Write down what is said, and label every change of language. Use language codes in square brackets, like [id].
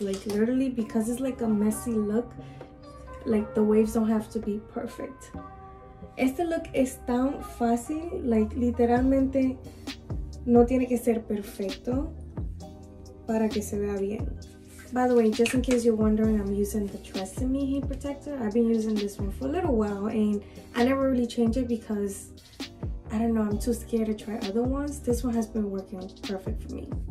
[en] Like, literally, because it's like a messy look, like the waves don't have to be perfect. [es] Este look es tan fácil. Like, literalmente, no tiene que ser perfecto para que se vea bien. [en] By the way, just in case you're wondering, I'm using the Tresemme heat protector. I've been using this one for a little while and I never really change it because I don't know, I'm too scared to try other ones. This one has been working perfect for me.